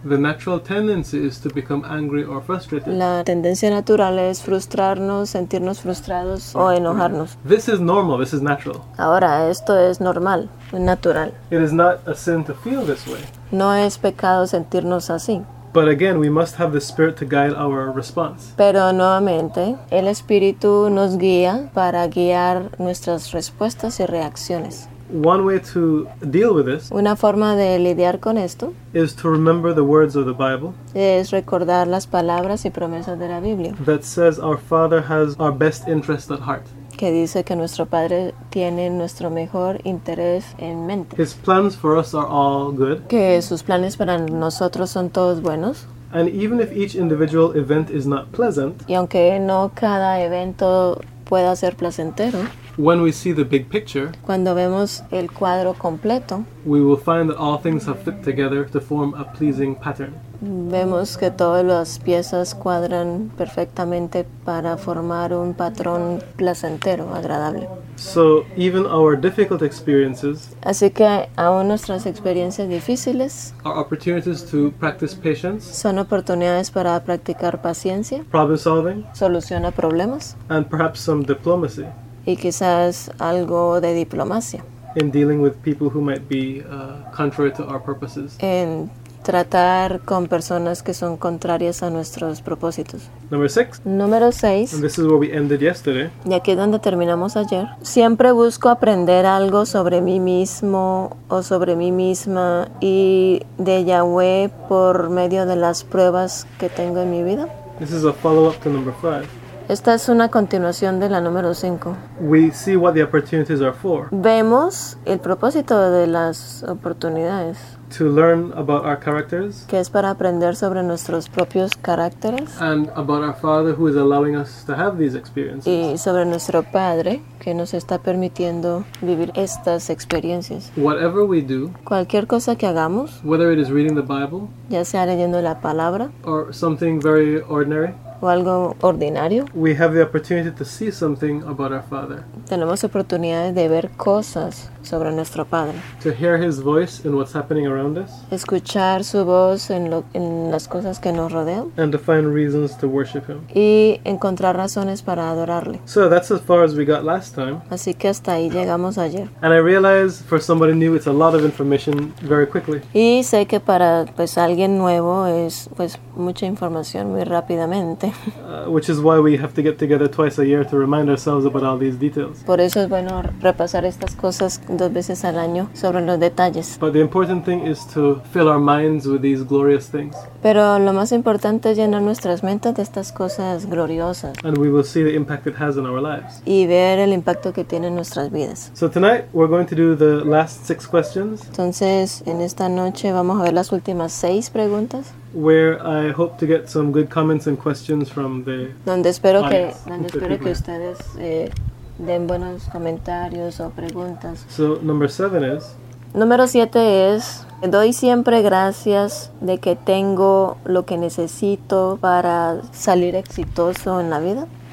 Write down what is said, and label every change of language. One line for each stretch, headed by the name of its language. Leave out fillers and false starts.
English: the natural tendency is to become angry or frustrated.
Spanish: La tendencia natural es frustrarnos, sentirnos frustrados o enojarnos.
English: This is normal, this is natural.
Spanish: Ahora, esto es normal, natural.
English: It is not a sin to feel this way.
Spanish: No es pecado sentirnos así.
English: But again, we must have the Spirit to guide our response.
Spanish: Pero nuevamente, el Espíritu nos guía para guiar nuestras respuestas y reacciones.
English: One way to deal with this,
Spanish: una forma de lidiar con esto,
English: is to remember the words of the Bible,
Spanish: es recordar las palabras y promesas de la Biblia,
English: that says our Father has our best interest at heart.
Spanish: Que dice que nuestro Padre tiene nuestro mejor interés en mente.
English: His plans for us are all good.
Spanish: Que sus planes para nosotros son todos buenos.
English: And even if each individual event is not pleasant,
Spanish: y aunque no cada evento pueda ser placentero,
English: when we see the big picture,
Spanish: cuando vemos el cuadro completo,
English: we will find that all things have fit together to form a pleasing pattern.
Spanish: Vemos que todas las piezas cuadran perfectamente para formar un patrón placentero, agradable.
English: So, even our difficult experiences,
Spanish: así que aún nuestras experiencias difíciles,
English: are opportunities to practice patience,
Spanish: son oportunidades para practicar paciencia,
English: problem solving,
Spanish: solución a problemas,
English: and perhaps some diplomacy,
Spanish: y quizás algo de diplomacia,
English: in dealing with people who might be contrary to our purposes.
Spanish: En tratar con personas que son contrarias a nuestros propósitos. Número 6.
English: And this is where we ended yesterday.
Spanish: Y aquí es donde terminamos ayer. Siempre busco aprender algo sobre mí mismo o sobre mí misma y de Yahweh por medio de las pruebas que tengo en mi vida.
English: This is a follow-up to number 5.
Spanish: Esta es una continuación de la número 5.
English: We see what the opportunities are for.
Spanish: Vemos el propósito de las oportunidades.
English: To learn about our characters.
Spanish: Que es para aprender sobre nuestros propios caracteres.
English: And about our Father who is allowing us to have these experiences.
Spanish: Y sobre nuestro Padre que nos está permitiendo vivir estas experiencias.
English: Whatever we do.
Spanish: Cualquier cosa que hagamos.
English: Whether it is reading the Bible.
Spanish: Ya sea leyendo la palabra.
English: Or something very ordinary.
Spanish: O algo ordinario.
English: We have the opportunity to see something about our Father.
Spanish: Tenemos oportunidades de ver cosas sobre nuestro Padre.
English: To hear His voice in what's happening around us.
Spanish: Escuchar su voz en las cosas que nos rodean.
English: And to find reasons to worship Him.
Spanish: Y encontrar razones para adorarle.
English: So that's as far as we got last time.
Spanish: Así que hasta ahí llegamos ayer.
English: And I realize for somebody new it's a lot of information very quickly.
Spanish: Y sé que para pues alguien nuevo es pues mucha información muy rápidamente.
English: Which is why we have to get together twice a year to remind ourselves about all these details.
Spanish: Por eso es bueno repasar estas cosas dos veces al año sobre los detalles.
English: But the important thing is to fill our minds with these glorious things.
Spanish: Pero lo más importante es llenar nuestras mentes de estas cosas gloriosas.
English: And we will see the impact it has on our lives.
Spanish: Y ver el impacto que tiene en nuestras vidas.
English: So tonight we're going to do the last 6 questions.
Spanish: Entonces, en esta noche vamos a ver las últimas 6 preguntas.
English: Where I hope to get some good comments and questions from the
Spanish: donde espero audience, que donde espero que ustedes den buenos comentarios o preguntas.
English: So number 7 is
Spanish: Número 7 es: doy siempre gracias de que tengo lo que necesito para salir exitoso en la vida.